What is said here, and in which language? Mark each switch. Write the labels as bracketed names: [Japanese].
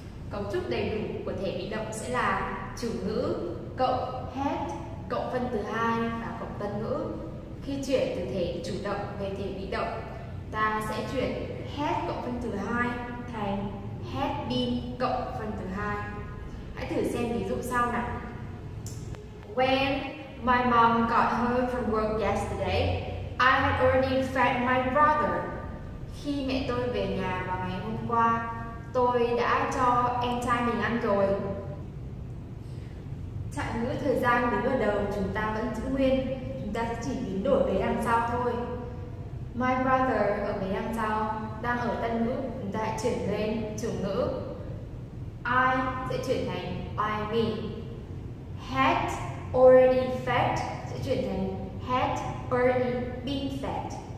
[Vietnamese] Cấu trúc đầy đủ của thể bị động sẽ là chủ ngữ cộng had cộng phân thứ hai và cộng tân ngữ. Khi chuyển từ thể chủ động về thể bị động, ta sẽ chuyển had cộng phân thứ hai thành had been cộng phân thứ hai. Hãy thử xem ví dụ sau nào. [English] When my mom got home from work yesterday, I had already fed my brother. [Vietnamese] Khi mẹ tôi về nhà vào ngày hôm qua, tôi đã cho em trai mình ăn rồi. Trạng ngữ thời gian đứng ở đầu chúng ta vẫn giữ nguyên, chúng ta sẽ chỉ biến đổi về đằng sau thôi. [English] My brother [Vietnamese] ở về đằng sau đang ở tân ngữ, chúng ta hãy chuyển lên chủ ngữ. I sẽ chuyển thành [English] by me. Had already fed [Vietnamese] sẽ chuyển thành [English] had already been fed.